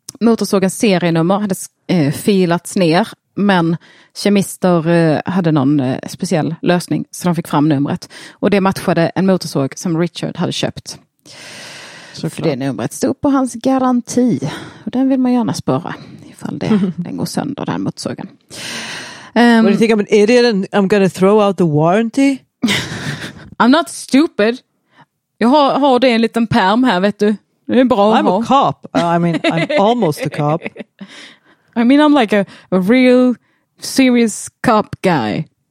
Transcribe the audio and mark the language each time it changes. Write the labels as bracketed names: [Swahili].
[Swedish] Motorsågens serienummer hade filats ner Men kemister hade någon speciell lösning så de fick fram numret. Och det matchade en motorsåg som Richard hade köpt. Såklart. För det numret stod på hans garanti. Och den vill man gärna spara ifall det, den går sönder, den motorsågen. [English] What do you think, I'm an idiot and I'm gonna throw out the warranty? I'm not stupid. [Swedish] Jag har det en liten perm här, vet du. Det är bra att [English] I'm [Swedish] ha. [English] A cop. I mean, I'm almost a cop. I mean, I'm like a real serious cop guy.